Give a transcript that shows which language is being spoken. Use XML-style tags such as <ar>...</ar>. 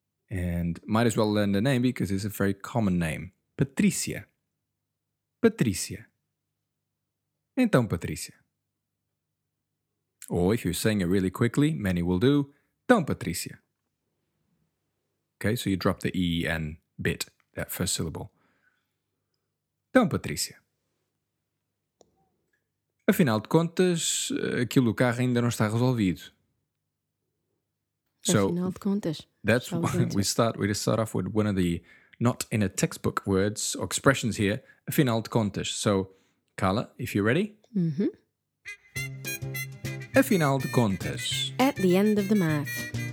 <en>And might as well learn the name because it's a very common name. Patrícia. Patrícia.</en> <pt>Então, Patrícia.</pt> <en>Or if you're saying it really quickly, many will do.</en> <pt>Então, Patrícia.</pt> <en>Okay, so you drop the E and bit, that first syllable.</en> <pt>Então, Patrícia. Afinal de contas, aquilo do carro ainda não está resolvido.</pt> <en>So,</en> <pt>afinal de contas.</pt> <en>That's why we start off with one of the not in a textbook words or expressions here.</en> <pt>Afinal de contas.</pt> <en>So, Carla, if you're ready. Mm-hmm.</en> <pt>Afinal de contas.</pt> <en>At the end of the math.</en>